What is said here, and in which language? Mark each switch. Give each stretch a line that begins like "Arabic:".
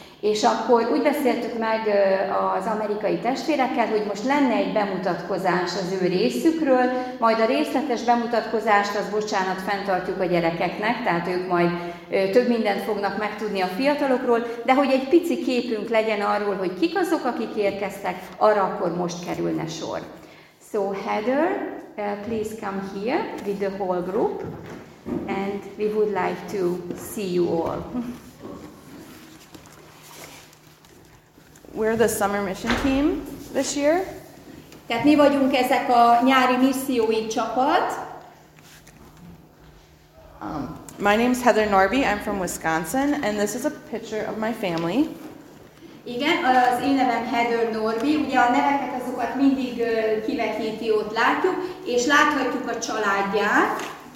Hungarian: És akkor úgy beszéltük meg az amerikai testvérekkel, hogy most lenne egy bemutatkozás az ő részükről, majd a részletes bemutatkozást, az bocsánat, fenntartjuk a gyerekeknek, tehát ők majd több mindent fognak megtudni a fiatalokról, de hogy egy pici képünk legyen arról, hogy kik azok, akik érkeztek, arra akkor most kerülne sor.
English: So Heather, please come here with the whole group, and we would like to see you all. We're the summer mission team this year.
Hungarian: Tehát mi vagyunk ezek a nyári missziói csapat.
English: My name is Heather Norby. I'm from Wisconsin, and this is a picture of my family.
Hungarian: Igen, az én nevem Heather Norby. Ugye a neveket azokat mindig kivetíti, ott látjuk, és láthatjuk a családját.